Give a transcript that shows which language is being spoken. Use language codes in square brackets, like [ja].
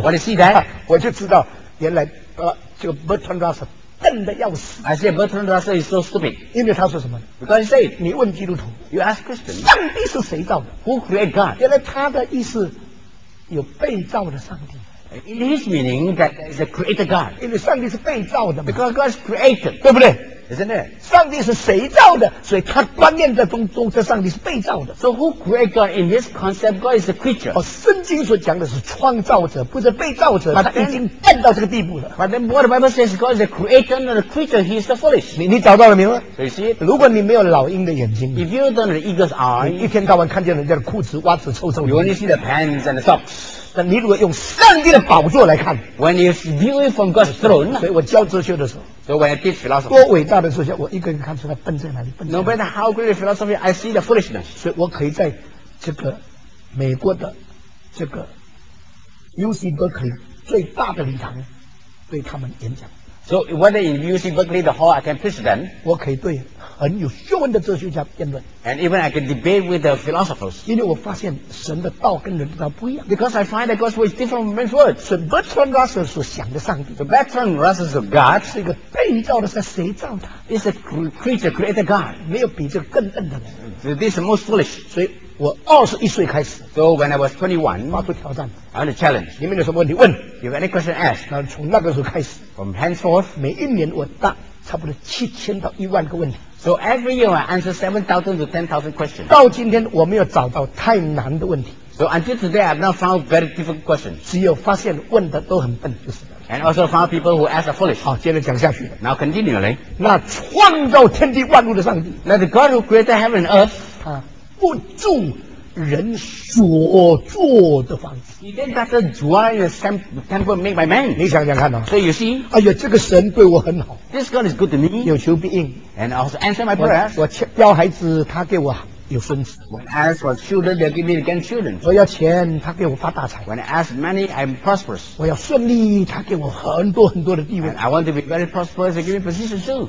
[en] What is that? [zh] 我就知道原来、这个 Bertrand Russell 笨得要死 [en] I say Bertrand Russell is so stupid [zh] 因为他说什么 [en] Because he said [zh] 你问基督徒 [en] You ask Christians [zh] 上帝是谁造的 [en] Who created God? [zh] 原来他的意思有被造的上帝 [en] In his meaning, that is a creator God. [zh] 因为上帝是被造的嘛。 [en] Because God is created. [zh] 对不对 [en] isn't it? [zh] 上帝是谁造的，所以他观念在中中，这上帝是被造的。 [en] So who created God in this concept? God is a creature. [zh] 哦，圣经所讲的是创造者，不是被造者。他已经笨到这个地步了。 [en] But then what the Bible says, God is a creator, not a creature. He is the foolish. [zh] 你找到了没有？ [en] So、you see? [zh] 如果你没有老鹰的眼睛， [en] if you don't have eagle's eye, [zh] 一天到晚看见人家的裤子、袜子臭臭的。 [en] You only see the pants and the socks. [zh] 但你如果用上帝的宝座来看 [en] ，When you view it from God's throne， [zh] 所以我教哲学的时候 [en] ，So when I teach philosophy， [zh] 多伟大的哲学，我一个人看出来笨在哪里，笨在哪里。 [en] No matter how great a philosophy， I see the foolishness。 [zh] 所以我可以在这个美国的这个 UC Berkeley 最大的礼堂对他们演讲。 [en] So whether in UC Berkeley the hall, I can preach them。 [zh] 我可以对很有学问的哲学家辩论。 [en] And even I can debate with the philosophers。 [zh] 因为我发现神的道跟人的道不一样。 [en] Because I find that God's word is different from man's word。 [zh] So Bertrand Russell 所想的上帝。 [en] So Bertrand Russell's of God [zh] 是一个被造的，是谁造他 [en] ？Is a creature created God。 [zh] 没有比这个更笨的人。 [en] So this is most foolish。 [zh] 所以我二十一岁开始。 [en] So when I was 21, [zh] 发出挑战。 [en] I want to challenge。 [zh] 你们有什么问题问 [en] ？You have any question? Ask。 [zh] 那从那个时候开始。 [en] From henceforth， [zh] 每一年我答差不多7000到10000个问题。 [en] So every year I answer 7,000 to 10,000 questions。 [zh] 到今天我没有找到太难的问题。 [en] So until today I have not found very difficult questions。 [zh] 只有发现问的都很笨，就是。 [en] And also found people who ask are foolish。 [zh] 好，接着讲下去。 [en] Now continually。 [zh] 那创造天地万物的上帝。 [en] Now the God who created heaven and earth。 [zh] 他不住人所做的房子。 [en] He didn't have to dwell in the temple made by man。 [zh] 你想想看哦。 [en] So you see。 [zh] 哎呀，这个神对我很好。 [en] This God is good to me。 [zh] 有求必应。 [en] And also answer my prayer。 [zh] 我要孩子，他给我有孙子。 [en] When I ask for children, they give me grandchildren。 [zh] 我要钱，他给我发大财。 [en] When I ask money, I'm prosperous。 [zh] 我要顺利，他给我很多很多的地位。 [en] And I want to be very prosperous, they give me position too。